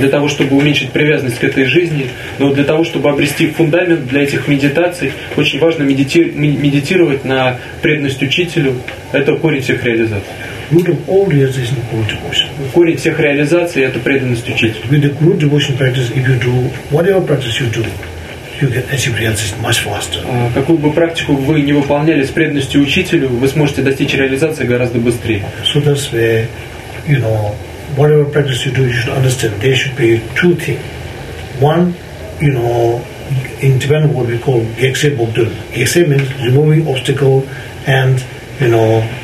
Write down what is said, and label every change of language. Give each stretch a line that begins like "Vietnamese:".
Russian: Для того, чтобы уменьшить привязанность к этой жизни, но для того, чтобы обрести фундамент для этих медитаций, очень важно медитировать на преданность учителю. Это корень всех реализаций.
English: Root of all realization is guru devotion.
Russian: Корень всех реализаций – это преданность учителю.
English: With the guru devotion practice, if you do whatever practice you do, you can achieve realization much faster.
Russian: Какую бы практику вы не выполняли с преданностью учителю, вы сможете достичь реализации гораздо быстрее.
English: So that's where, you know, whatever practice you do, you should understand there should be two things. One, you know, in Tibetan what we call gyekse bogdun. Gyekse means removing obstacle, and you know.